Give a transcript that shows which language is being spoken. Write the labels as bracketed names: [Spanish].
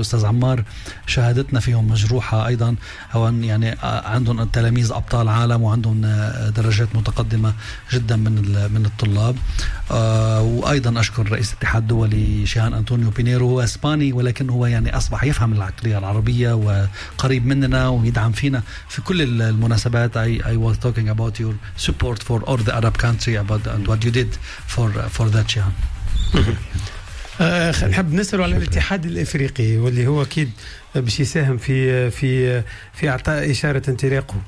[Arabic] أستاذ عمار شهادتنا فيهم مجروحة أيضا هو يعني عندهم التلاميذ أبطال عالم وعندهم درجات متقدمة جدا من الطلاب وأيضا أشكر رئيس الاتحاد الدولي شيهان أنطونيو بينيرو هو إسباني ولكن هو يعني أصبح يفهم العقلية العربية وقريب مننا ويدعم فينا في كل المناسبات. [English] I was talking about your support for all the Arab country about and what you did for that Shihan. [Arabic] نحب نسألوا على الاتحاد الإفريقي واللي هو أكيد باش يساهم في في في إعطاء إشارة انطلاقه.